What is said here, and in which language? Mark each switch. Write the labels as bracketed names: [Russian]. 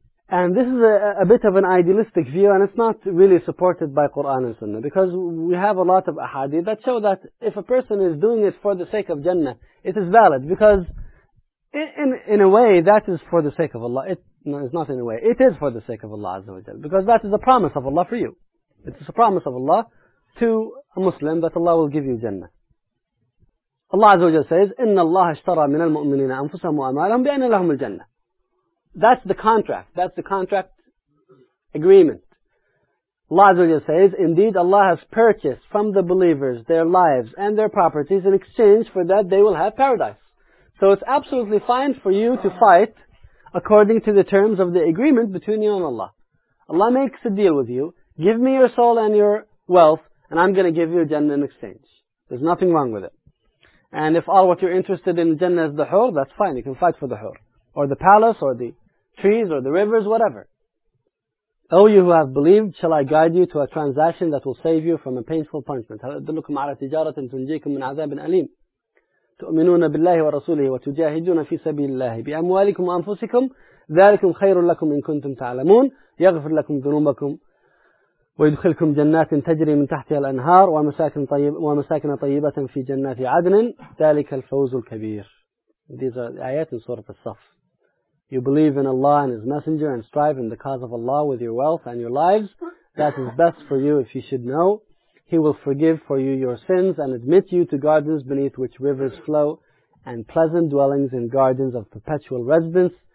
[English] And this is a bit of an idealistic view, and it's not really supported by Quran and Sunnah, because we have a lot of ahadith that show that if a person is doing it for the sake of Jannah, it is valid, because in a way that is for the sake of Allah. It is for the sake of Allah Azza wa Jalla, because that is a promise of Allah for you. It is a promise of Allah to a Muslim that Allah will give you Jannah. Allah Azza wa Jalla says, [Arabic] إِنَّ اللَّهَ اشْتَرَى مِنَ الْمُؤْمِنِينَ أَنفُسَهُمْ وَأَمْوَالَهُمْ بِأَنَّ لَهُمُ الْجَنَّةَ. [English] That's the contract. That's the contract agreement. Allah Azza wa Jalla says, indeed Allah has purchased from the believers their lives and their properties. In exchange for that, they will have paradise. So it's absolutely fine for you to fight according to the terms of the agreement between you and Allah. Allah makes a deal with you. Give me your soul and your wealth, and I'm going to give you Jannah in exchange. There's nothing wrong with it. And if all what you're interested in Jannah is the hur, that's fine. You can fight for the hur. Or the palace, or the trees, or the rivers, whatever. O you who have believed, shall I guide you to a transaction that will save you from a painful punishment? [Arabic] أَدُلُّكُمْ عَلَى تِجَارَةٍ تُنْجِيكُمْ مِنْ عَذَابٍ أَلِيمٍ تؤمنون بالله ورسوله وتجاهدون في سبيل الله بأموالكم وأنفسكم ذلكم خير لكم إن كنتم تعلمون يغفر لكم ذنوبكم ويدخلكم جنات تجري من تحتها الأنهار ومساكن طيبة في جنات عدن ذلك الفوز الكبير. [English] These are the ayat in Surah As-Saff. you believe in Allah and His Messenger and strive in the cause of Allah with your wealth and your lives, that is best for you if you should know. He will forgive for you your sins and admit you to gardens beneath which rivers flow and pleasant dwellings in gardens of perpetual residence.